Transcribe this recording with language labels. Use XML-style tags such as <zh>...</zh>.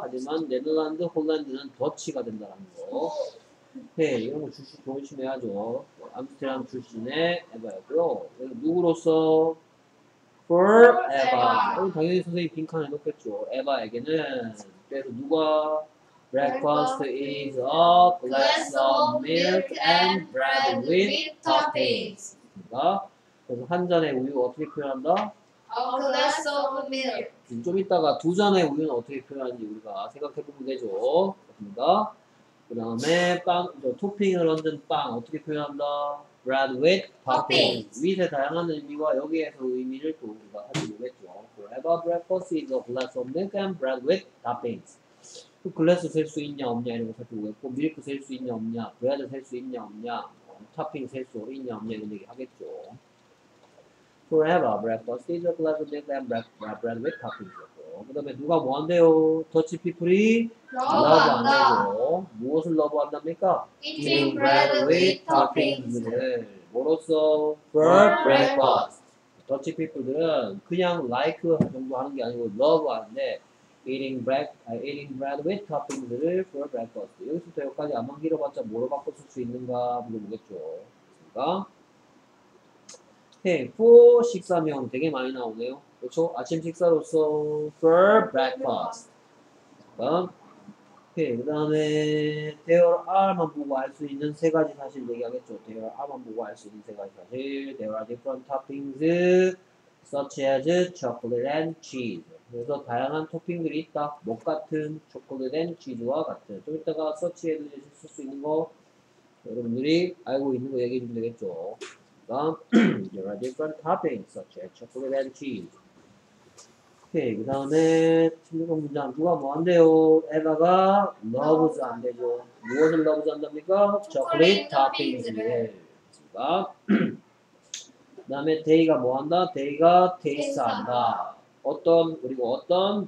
<ko>하지만, 네덜란드, 홀란드는 더치가 된다는 거. 네, 이런 거 출신 조심해야죠. 암스테르담 출신의 에바였고요. 누구로서? For 에바. 에바. 당연히 선생님 빈칸 해놓겠죠. 에바에게는 그래서 누가?</ko> <en>Breakfast is a glass of milk and bread with toppings.</en> <ko>그래서 한 잔의 우유 어떻게 표현한다?</ko> <en>A glass of milk.</en> <ko>좀 이따가 두 잔의 우유는 어떻게 표현하는지 우리가 생각해보면 되죠. 그렇습니다. 그 다음에 빵, 토핑을 얹은 빵 어떻게 표현한다?</ko> <en>Bread with toppings.</en> <ko>위에 다양한 의미와 여기에서 의미를 또 우리가 하지 못했죠.</ko> <en>Forever breakfast is a glass of milk and bread with toppings.</en> <ko>또 글래스 셀 수 있냐 없냐 이런 거 살펴보겠고, 밀크 셀 수 있냐 없냐, 브레드 셀 수 있냐 없냐, 토핑 셀 수 있냐 없냐 이런 얘기 하겠죠.</ko> <en>Forever breakfast is a glass of milk and bread with toppings.</en> <ko>그 다음에 누가 뭐 한대요? 더치 피플이? 러브 한대요. 무엇을 러브 한답니까?</ko> <en>Eating bread with toppings.</en> <ko>네. 뭐로써?</ko> <en>For breakfast.</en> <ko>더치 피플들은 그냥 like 정도 하는 게 아니고 러브 하는데</ko> <en>eating bread with toppings</en> <ko>를</ko> <en>for breakfast.</en> <ko>여기서부터 여기까지 한번 길어봤자 뭐로 바꿨을 수 있는가 물어보겠죠. 그러니까. 네. For 식사명 되게 많이 나오네요. 그쵸? 아침 식사로서</ko> <en>for breakfast.</en> <ko>오케이, 그 다음에 there are만 보고 알 수 있는 세 가지 사실 얘기하겠죠. There are만 보고 알 수 있는 세 가지 사실.</ko> <en>There are different toppings such as chocolate and cheese.</en> <ko>그래서 다양한 토핑들이 있다. 못 같은</ko> <en>chocolate and cheese</en> <ko>와 같은. 좀 이따가 search 해드릴 수 있는 거 여러분들이 알고 있는 거 얘기해 주면 되겠죠.</ko> <en>there are different toppings such as chocolate and cheese.</en> <ko>오케이, 그 다음에 16번 문장 누가 뭐 한대요? 에바가 러브즈 안 되죠. 무엇을 러브즈 한답니까? 초콜릿 토핑즈. 네, 맞습니다. 그 다음에 데이가 뭐 한다? 데이가 테이스트 한다. 어떤, 그리고 어떤?</ko>